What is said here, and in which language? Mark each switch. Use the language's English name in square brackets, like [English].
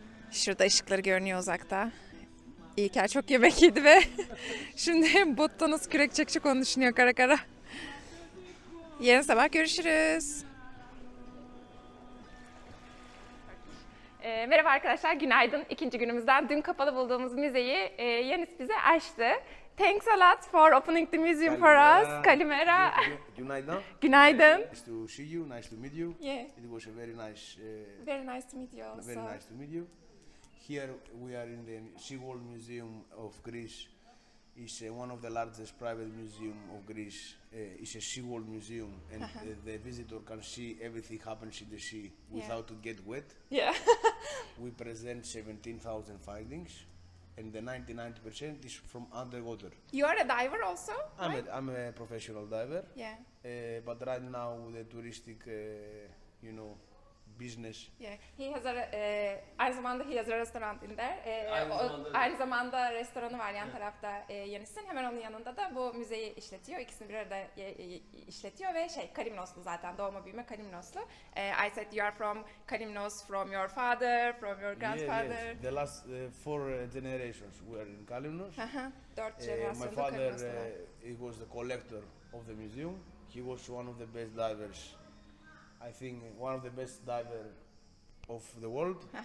[Turkish] Şurada ışıkları görünüyor uzakta. İlker çok yemek yedi ve şimdi Botton'uz kürek çekecek, onu düşünüyor kara kara. Yarın sabah görüşürüz. Merhaba arkadaşlar, günaydın. İkinci günümüzden. Dün kapalı bulduğumuz müzeyi Yanis bize açtı. [English] Thanks a lot for opening the museum Kalimera. For us. Kalimera. [Turkish] Günaydın. Günaydın. [English] Nice to see you, nice to meet you. Yeah. It was a very nice... Very nice to meet you also. Very nice to meet you. Here we are in the Seawall Museum of Greece. It's one of the largest private museum of Greece. It's a Seawall Museum, and the visitor can see everything happens in the sea without to get wet. Yeah. We present 17,000 findings, and the 99% is from underwater. You are a diver also? I'm a professional diver. Yeah. But right now with the touristic, you know, business. Yeah, he has a [Turkish] aynı zamanda [English] he has a restaurant in there. [Turkish] Aynı zamanda restoranı var yan tarafta Yanis'in. Hemen onun yanında da bu müzeyi işletiyor. İkisini bir arada işletiyor ve Kalimnoslu zaten. Doğma büyüme Kalimnoslu. [English] I said you are from Kalimnos, from your father, from your grandfather. Yes, the last four generations were in Kalimnos. [Turkish] Dört jenerasyonda [English] my father he was the collector of the museum. He was one of the best divers. I think one of the best diver of the world.